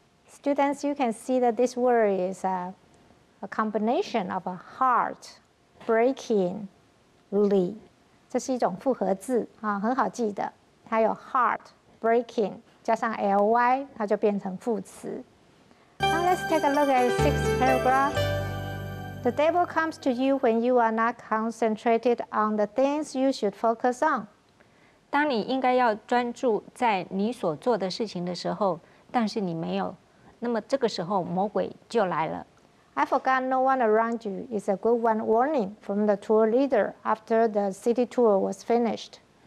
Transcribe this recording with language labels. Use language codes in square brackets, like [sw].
[en] Students, you can see that this word is a combination of a heartbreakingly. [zh] 这是一种复合字，很好记的。还有 heart breaking 加上 ly， 它就变成副词。 [en] Now let's take a look at sixth paragraph. The devil comes to you when you are not concentrated on the things you should focus on. [zh] 当你应该要专注在你所做的事情的时候，但是你没有，那么这个时候魔鬼就来了。 [en] I forgot no one around you is a good one warning from the tour leader after the city tour was finished.